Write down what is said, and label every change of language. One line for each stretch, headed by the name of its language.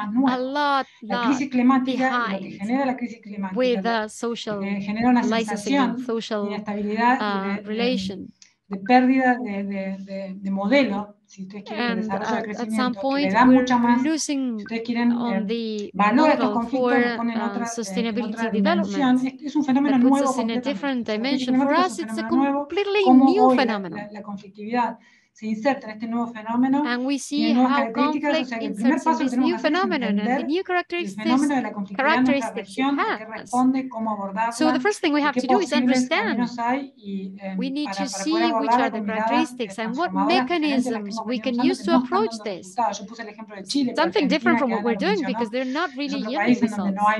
English: a lot behind with the social licensing, social relation.
Spanish: De pérdida de modelo, si ustedes quieren desarrollo de crecimiento, point, que le da mucha más, si ustedes quieren valor a estos conflictos, lo ponen en otra dimensión, es un fenómeno nuevo,
English: in a different dimension. For us, it's a completely new phenomenon.
Spanish: La conflictividad se inserta en este nuevo fenómeno,
English: and we see how conflict inserts in this new phenomenon and the new characteristics it has. So the first thing we have to do is understand. We need to see which are the characteristics and what mechanisms we can use to approach this. Something different from what we're doing because they're not really yielding results.